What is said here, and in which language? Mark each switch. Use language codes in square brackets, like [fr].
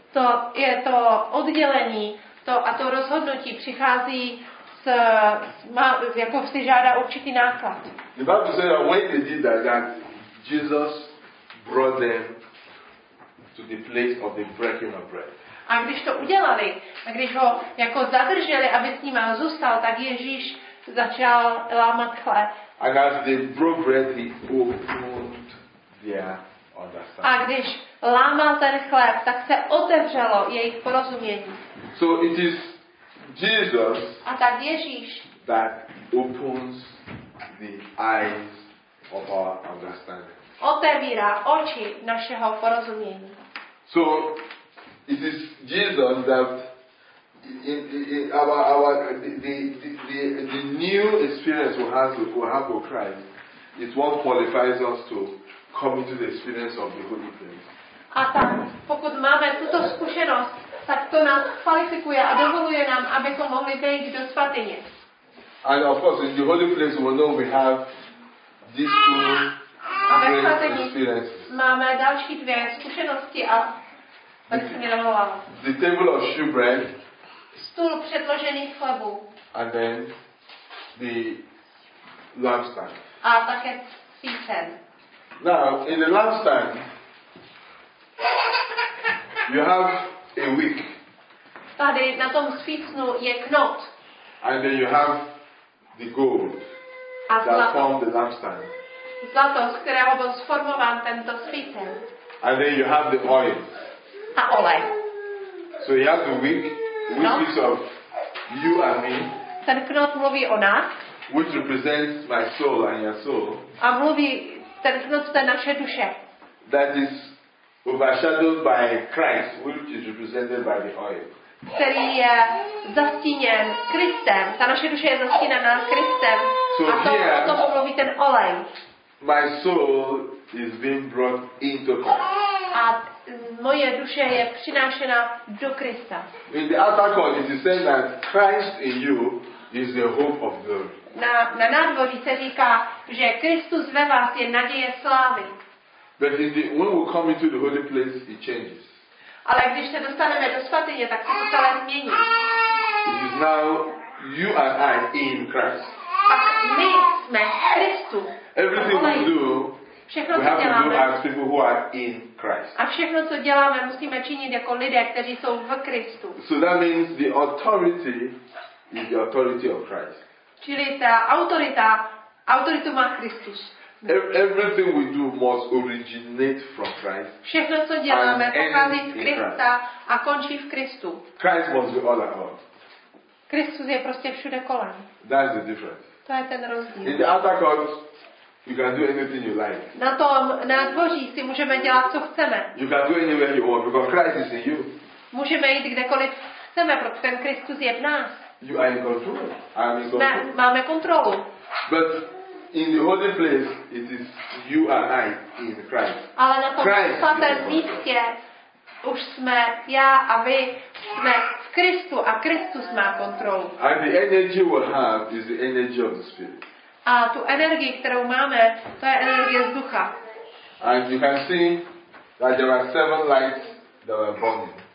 [cs] To je to oddělení, to a to rozhodnutí přichází s má, jako si žádá určitý náklad. [en] The Bible says that when they did that, Jesus brought them to the place of the breaking of bread. [cs] A když to udělali, a když ho jako zadrželi, aby s ním zůstal, tak Ježíš začal lámat chléb. [en] And as they broke bread, he opened their understanding. [cs] A když lámal ten chléb, tak se otevřelo jejich porozumění. [en] So it is Jesus. [cs] A tak Ježíš. [en] That opens the eyes of our understanding. [cs] Otevírá oči našeho porozumění. [en] So it is Jesus that in our the new experience we have with Christ is what qualifies us to come into the experience of the Holy Place. [cs] A tak, pokud máme tuto zkušenost, tak to nás kvalifikuje a dovoluje nám, abychom mohli vejít do svatyně. [en] And of course, in the Holy Place, we know we have these two great experiences. [cs] Máme další dvě zkušenosti a [en] the table of shewbread. [cs] Stůl předložených chlebů. [en] And then the lampstand. [cs] A také svícen. [en] Now in the lampstand, you have a wick. [cs] Tady na tom svícnu je knot. [en] And then you have the gold [cs] a zlato, [en] that formed the lampstand. [cs] Zlato, z kterého byl sformován tento svícen. [en] And then you have the oil. [cs] A olej. [en] So you have the wick, which of you and me. [cs] Ten knot mluví o nás. [en] Which represents my soul and your soul. [cs] A mluví ten knot, to je naše duše. [en] That is overshadowed by Christ, which is represented by the oil. [cs] Který je zastíněn Kristem. Ta naše duše je zastíněna Kristem. [en] So [cs] a to, [en] here, [cs] o tom mluví ten olej. [en] My soul is being brought into Christ. [cs] A moje duše je přinášena do Krista. [en] In the altar call, it is saying that Christ in you is the hope of glory. [cs] Na nádvoří se říká, že Kristus ve vás je naděje slávy. [en] But in the, when we come into the holy place, it changes. [cs] Ale když se dostaneme do svatyně, tak se to celé změní. [en] It is now you and I in Christ. [cs] Pak my jsme Kristu. [en] Everything we do, [cs] všechno, [en] we have to do as people who are in Christ. [cs] A všechno, co děláme, musíme činit jako lidé, kteří jsou v Kristu. [en] So that means the authority is the authority of Christ. [cs] Čili ta autorita, autoritu má Kristus. [en] Everything we do must originate from Christ. [cs] Všechno, co děláme, pochází z Krista a končí v Kristu. [en] Christ must be all at all. [cs] Kristus je prostě všude kolem. [en] That's the difference. [cs] To je ten rozdíl. [en] In the altar court, you can do anything you like. [cs] Na tom nádvoří si můžeme dělat, co chceme. [en] You can do anywhere you want because Christ is in you. [cs] Můžeme jít kdekoliv chceme, protože ten Kristus je v nás. [en] You are in control. I am in control. [cs] Máme kontrolu. [en] But in the holy place, it is you and I in Christ. [cs] Ale na tom svatém místě už jsme já a vy jsme v Kristu a Kristus má kontrolu. [en] And the energy we have is the energy of the Spirit. [cs] A tu energii, kterou máme, to je energie z ducha. [en] And you can see that there are seven lights that were burning.